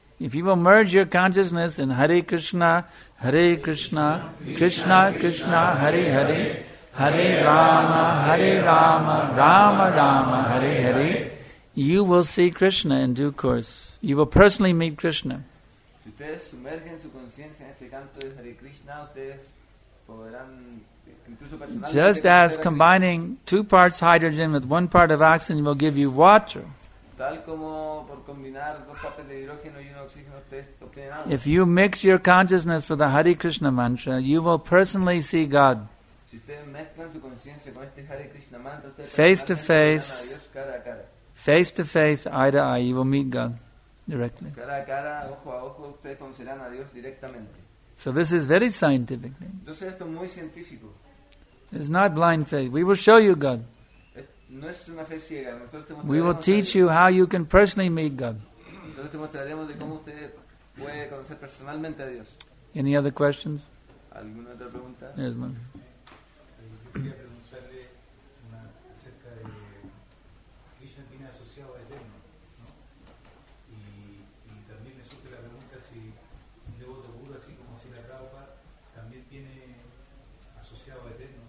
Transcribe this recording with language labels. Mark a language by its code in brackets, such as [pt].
[en] if you will merge your consciousness in Hare Krishna, Hare Krishna, Krishna Krishna, Hare Hare, Hare Rama, Rama Rama, Hare Hare, you will see Krishna in due course. You will personally meet Krishna. [es] Si ustedes sumergen su conciencia en este canto de Hare Krishna, ustedes podrán incluso personalmente. [en] Just as combining two parts hydrogen with one part of oxygen will give you water. [es] Tal como por combinar dos partes de hidrógeno y uno de oxígeno, ustedes obtienen agua. [en] If you mix your consciousness with the Hare Krishna mantra, you will personally see God. [es] Si ustedes mezclan su conciencia con este Hare Krishna mantra, ustedes [en] face to face, [es] verán a Dios cara a cara. [en] Face to face, eye to eye, you will meet God directly. [es] Cara a cara, ojo a ojo, ustedes conocerán a Dios directamente. [en] So this is very scientific. [es] Entonces esto es muy científico. [en] It's not blind faith. We will show you God. [es] No es una fe ciega. [en] We will teach you how you can personally meet God. [es] Nosotros te mostraremos de cómo usted puede conocer personalmente a Dios. [en] Any other questions? [es] ¿Alguna otra pregunta? [en] Yes, [es] ma'am. Yo quería preguntarle acerca de Krishna tiene asociado a Eden, ¿no? Y también me surge la pregunta si un devoto puro, así como si la Prabhupada, también tiene asociado a Eden, ¿no?